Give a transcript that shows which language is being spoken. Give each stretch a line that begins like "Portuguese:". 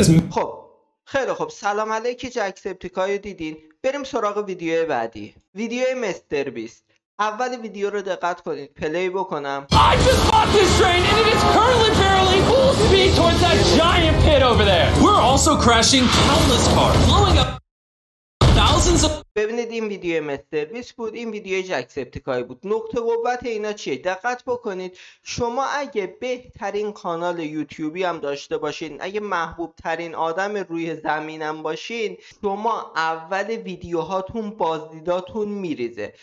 Persian: خب خیلی خب، سلام علیکی جک سپتیکایو دیدین. بریم سراغ ویدیو بعدی، ویدیو مستر بیست. اول ویدیو رو دقت کنید، پلی بکنم.
English: I just bought this train and it is currently barreling full speed towards that giant pit over there. We're also crashing countless cars, blowing up thousands of...
Persian: ببینید این ویدیو مستر بیست بود، این ویدیو جکسپتیکای بود. نقطه قوت اینا چیه؟ دقت بکنید، شما اگه بهترین کانال یوتیوبی هم داشته باشین، اگه محبوب ترین آدم روی زمینم باشین، شما اول ویدیوهاتون بازدیداتون میریزه.